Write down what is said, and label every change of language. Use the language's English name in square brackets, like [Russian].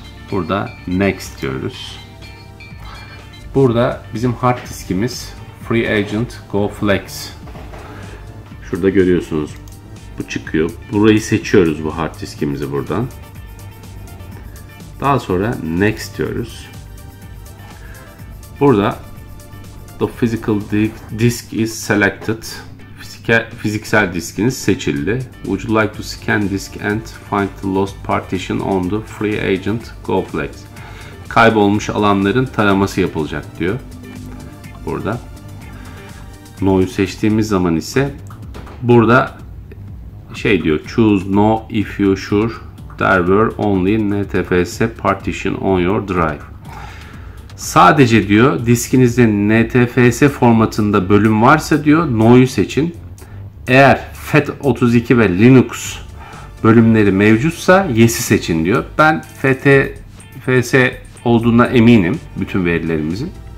[Turkish] Burada next diyoruz. Burada bizim hard diskimiz Free Agent GoFlex. Şurada görüyorsunuz. Bu çıkıyor. Burayı seçiyoruz bu hard diskimizi buradan. Daha sonra next diyoruz. [English] Burada the physical disk is selected. [Turkish] Fiziksel diskiniz seçildi. [English] Would you like to scan disk and find the lost partition on the free agent GoFlex? [Turkish] Kaybolmuş alanların taraması yapılacak diyor. Burada. No'yu seçtiğimiz zaman ise burada şey diyor. [English] Choose no if you sure there were only NTFS partition on your drive. [Turkish] Sadece diyor diskinizde NTFS formatında bölüm varsa diyor no'yu seçin. Eğer FAT32 ve Linux bölümleri mevcutsa yes'i seçin diyor. Ben FTFS olduğuna eminim bütün verilerimizin.